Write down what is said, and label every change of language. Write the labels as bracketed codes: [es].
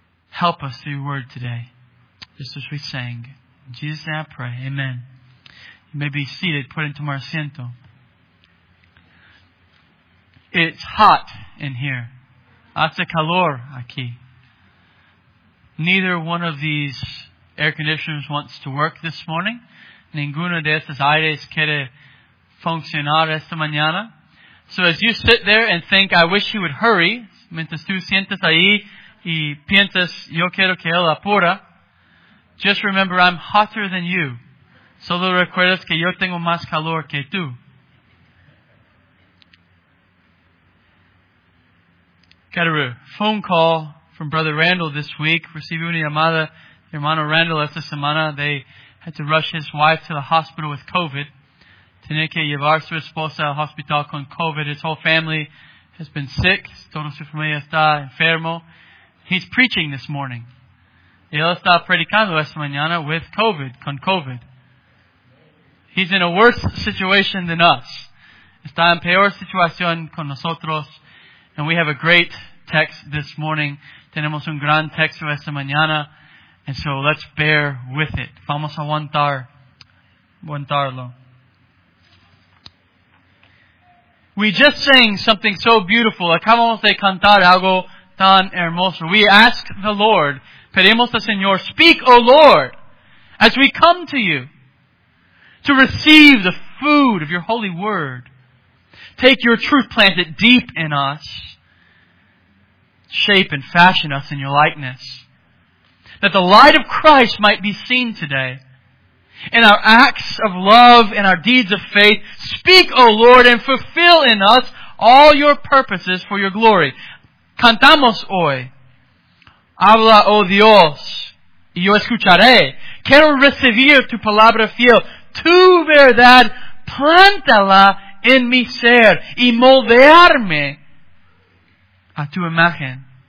[en] Help us through Your word today, just as we sang. In Jesus' name I pray. Amen. You may be seated, put into my asiento. It's hot in here. [es] Hace calor aquí. [en] Neither one of these air conditioners wants to work this morning. [es] Ninguno de estos aires quiere funcionar esta mañana. [en] So as you sit there and think, I wish he would hurry, [es] mientras tú sientes ahí, y piensas, yo quiero que él apura. [en] Just remember, I'm hotter than you. [es] Solo recuerdas que yo tengo más calor que tú. [en] Got a phone call from Brother Randall this week. [es] Recibí una llamada de hermano Randall esta semana. [en] They had to rush his wife to the hospital with COVID. [es] Tenía que llevar su esposa al hospital con COVID. [en] His whole family has been sick. [es] Toda su familia está enfermo. [en] He's preaching this morning. [es] Él está predicando esta mañana [en] with COVID, [es] con COVID. [en] He's in a worse situation than us. [es] Está en peor situación con nosotros. [en] And we have a great text this morning. [es] Tenemos un gran texto esta mañana. [en] And so let's bear with it. [es] Vamos a aguantarlo. [en] We just sang something so beautiful. [es] Acabamos de cantar algo tan hermoso. [en] We ask the Lord, [es] pedimos al Señor, [en] speak, O Lord, as we come to You to receive the food of Your holy word. Take Your truth, plant it deep in us. Shape and fashion us in Your likeness. That the light of Christ might be seen today in our acts of love and our deeds of faith. Speak, O Lord, and fulfill in us all Your purposes for Your glory. [es] Cantamos hoy, habla, oh Dios, y yo escucharé. quiero recibir tu palabra fiel, tu verdad, plántala en mi ser y moldearme a tu imagen.